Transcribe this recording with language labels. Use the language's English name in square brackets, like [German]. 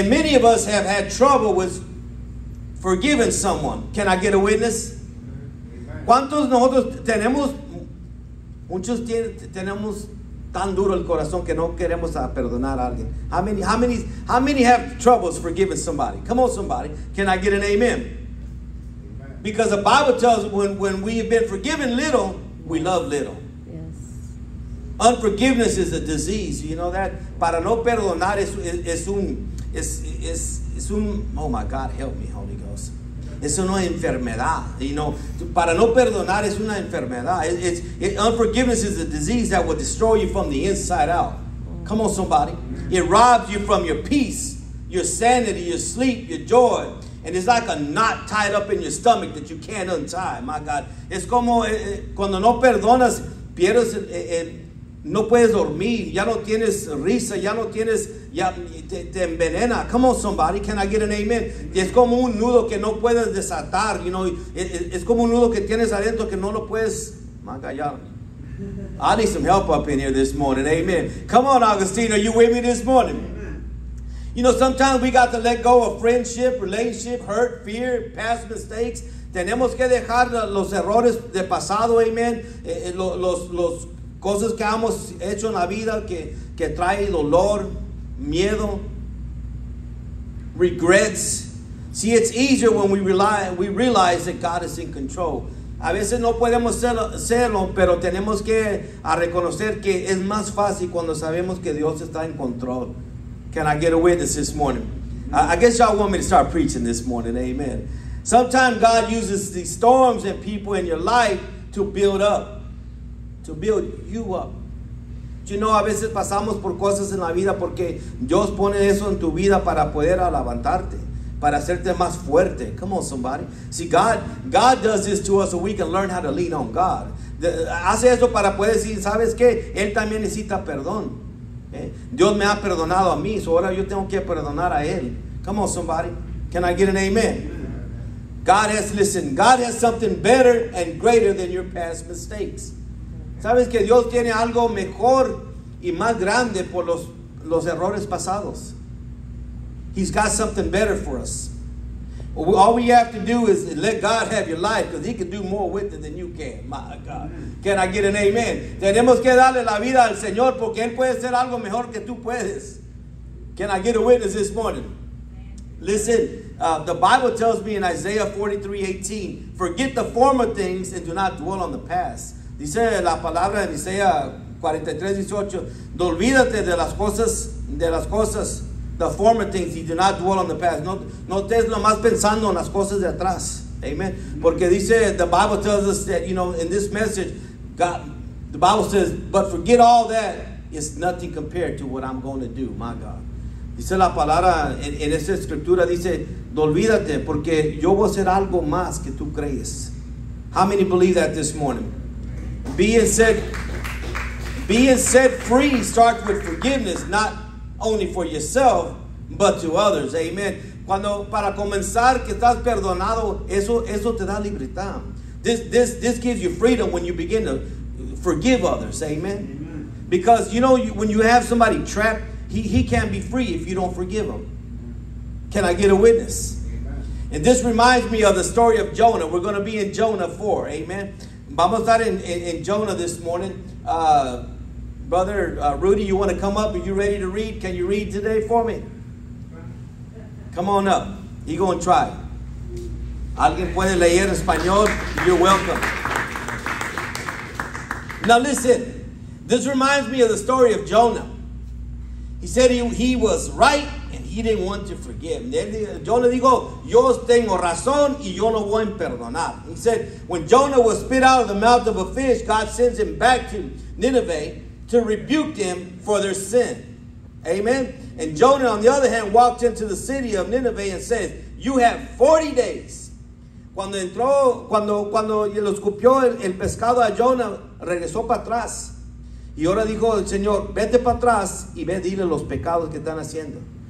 [English] And many of us have had trouble with forgiving someone. Can I get a witness? Mm-hmm. [Spanish] ¿Cuántos nosotros tenemos? Muchos tenemos tan duro el corazón que no queremos a perdonar a alguien. [English] How many have troubles forgiving somebody? Come on, somebody. Can I get an amen? Because the Bible tells us when we have been forgiven little, we love little. Yes. Unforgiveness is a disease. You know that? [Spanish] Para no perdonar es un, [English] oh my God, help me, Holy Ghost. [Spanish] Es una enfermedad. [English] You know, [Spanish] para no perdonar es una enfermedad. [English] Unforgiveness is a disease that will destroy you from the inside out. Come on, somebody. It robs you from your peace, your sanity, your sleep, your joy. And it's like a knot tied up in your stomach that you can't untie. My God. [Spanish] Es como cuando no perdonas, pierdes, no puedes dormir. Ya no tienes risa. Ya no tienes, ya te envenena. [English] Come on, somebody. Can I get an amen? [Spanish] Es como un nudo que no puedes desatar. You know, es como un nudo que tienes adentro que no lo puedes. [English] My God, y'all. I need some help up in here this morning. Amen. Come on, Augustine. Are you with me this morning? You know, sometimes we got to let go of friendship, relationship, hurt, fear, past mistakes. [Spanish] Tenemos que dejar los errores de pasado, amen. Los cosas que hemos hecho en la vida que trae dolor, miedo, regrets. [English] See, it's easier when we realize that God is in control. [Spanish] A veces no podemos hacerlo, pero tenemos que reconocer que es más fácil cuando sabemos que Dios está en control. [English] Can I get a witness this morning? I guess y'all want me to start preaching this morning. Amen. Sometimes God uses these storms and people in your life to build up, to build you up. [Spanish] You know, a veces pasamos por cosas en la vida porque Dios pone eso en tu vida para poder levantarte, para hacerte más fuerte. [English] Come on, somebody. See, God does this to us so we can learn how to lean on God. [Spanish] Hace eso para poder decir, ¿sabes qué? Él también necesita perdón. Dios me ha perdonado a mí, so ahora yo tengo que perdonar a Él. [English] Come on, somebody. Can I get an amen? God has something better and greater than your past mistakes. [Spanish] ¿Sabes que Dios tiene algo mejor y más grande por los errores pasados? [English] He's got something better for us. All we have to do is let God have your life, because He can do more with it than you can. My God. Can I get an amen? [Spanish] Tenemos que darle la vida al Señor porque Él puede hacer algo mejor que tú puedes. [English] Can I get a witness this morning? Listen, the Bible tells me in Isaiah 43:18, forget the former things and do not dwell on the past. [Spanish] Dice la palabra en Isaiah 43:18, olvídate de las cosas, [English] the former things, you do not dwell on the past. [Spanish] No estés nomás pensando en las cosas de atrás. Amen. Porque dice, [English] the Bible tells us that, you know, in this message, God, the Bible says, but forget all that. It's nothing compared to what I'm going to do, my God. [Spanish] Dice la palabra en esa escritura, dice, olvídate, porque yo voy a hacer algo más que tú crees. [English] How many believe that this morning? Being set free starts with forgiveness, not only for yourself, but to others. Amen. [Spanish] Cuando para comenzar que estás perdonado, eso te da libertad. [English] This gives you freedom when you begin to forgive others. Amen. Amen. Because, you know, when you have somebody trapped, he can't be free if you don't forgive him. Can I get a witness? Amen. And this reminds me of the story of Jonah. We're going to be in Jonah 4. Amen. [Spanish] Vamos a estar en Jonah [English] this morning. Brother Rudy, you want to come up? Are you ready to read? Can you read today for me? Come on up. You going to try. [Spanish] ¿Alguien puede leer español? [English] You're welcome. Now listen. This reminds me of the story of Jonah. He said he was right and he didn't want to forgive. [Spanish] Jonah dijo, yo tengo razón y yo no voy a perdonar. [English] He said, when Jonah was spit out of the mouth of a fish, God sends him back to Nineveh to rebuke them for their sin. Amen. And Jonah, on the other hand, walked into the city of Nineveh and said, you have 40 days. [Spanish] Cuando entró, cuando lo escupió el pescado a Jonah, regresó para atrás. Y ahora dijo el Señor, vete para atrás y ve, dile los pecados que están haciendo.